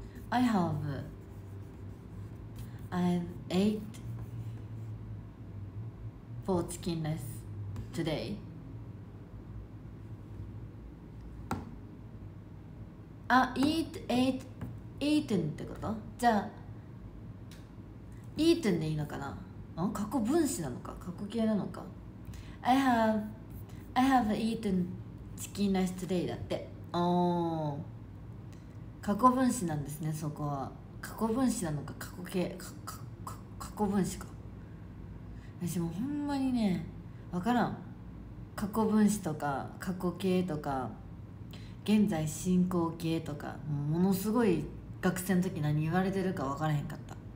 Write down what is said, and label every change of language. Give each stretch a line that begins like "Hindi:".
English: ate I've ate four chicken rice today。
Japanese: あ、eaten ってこと。じゃあeaten でいいのかな。あ、過去分詞なのか過去形なのか。
English: I have eaten chicken rice today
Japanese: だって。おー過去分詞なんですね。そこは過去分詞なのか過去形か、か、か、過去分詞か。私もほんまにね分からん。過去分詞とか過去形とか現在進行形とか、ものすごい学生の時何言われてるか分からへんかった。